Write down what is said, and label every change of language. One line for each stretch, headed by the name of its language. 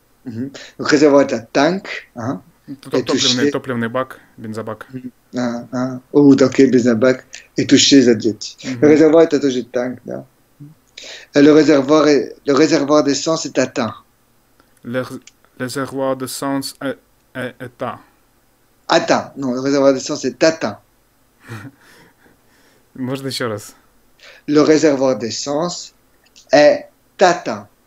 French: Donc, réservoir est un tank.
Russian: Топливный бак, бензобак. О, так и бензобак. И туши за дети. Резервуар это тоже танк, да.
French: Le réservoir d'essence est atteint. Le réservoir d'essence est atteint. Atteint. Non, le réservoir d'essence est atteint.
Russian: Можно еще раз.
French: Le réservoir d'essence est atteint.